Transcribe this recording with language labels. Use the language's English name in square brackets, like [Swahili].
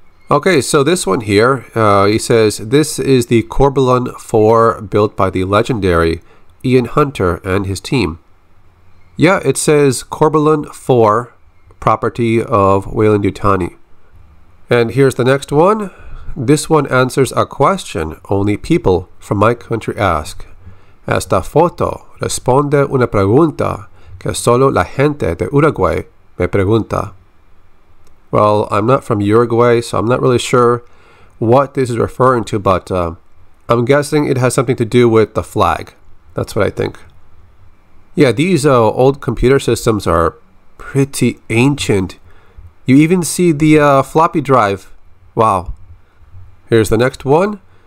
[English] Okay, so this one here, he says, this is the Corbulon 4 built by the legendary Ian Hunter and his team. Yeah, it says Corbulon 4, property of Weyland-Yutani. And here's the next one. This one answers a question only people from my country ask. [Spanish] Esta foto responde una pregunta que solo la gente de Uruguay me pregunta. [English] Well, I'm not from Uruguay, so I'm not really sure what this is referring to, but I'm guessing it has something to do with the flag. That's what I think. Yeah, these old computer systems are pretty ancient. You even see the floppy drive. Wow. Here's the next one.